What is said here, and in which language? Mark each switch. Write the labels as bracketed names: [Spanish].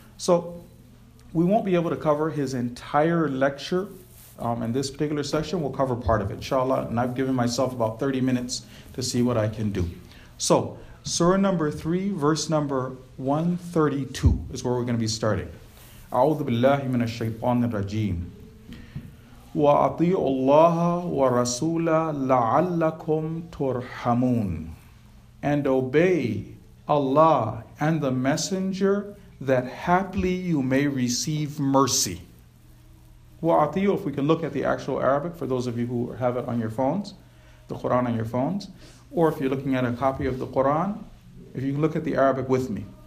[English] So we won't be able to cover his entire lecture in this particular session. We'll cover part of it, inshallah. And I've given myself about 30 minutes to see what I can do. So Surah number 3, verse number 132 is where we're going to be starting. [Arabic] أعوذ بالله من الشيطان الرجيم وَأَطِيعُوا اللَّهَ وَرَسُولَ لَعَلَّكُمْ تُرْحَمُونَ. [English] And obey Allah and the Messenger, that haply you may receive mercy. Wa'atiyu, if we can look at the actual Arabic, for those of you who have it on your phones, the Quran on your phones, or if you're looking at a copy of the Quran, if you look at the Arabic with me.